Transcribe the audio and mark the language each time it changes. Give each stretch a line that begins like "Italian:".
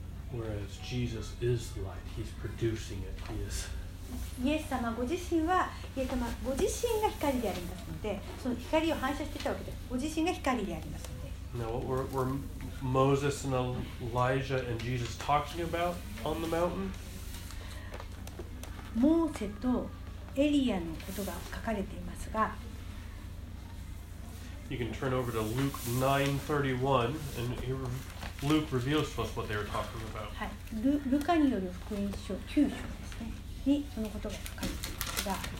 English: Whereas Jesus is light, He's producing it. He is.
Japanese: イエス様ご自身はイエス様ご自身が光でありますので、その光を反射していたわけです。ご自身が光でありますので。
English: Now, what were Moses and Elijah and Jesus talking about on the mountain?
Japanese: モーセとエリアのことが書かれていますが。
English: You can turn over to Luke 9:31, and Luke reveals to us what they were talking about.
Japanese: はい、ルカによる福音書9章ですね。にそのことが書かれていますが、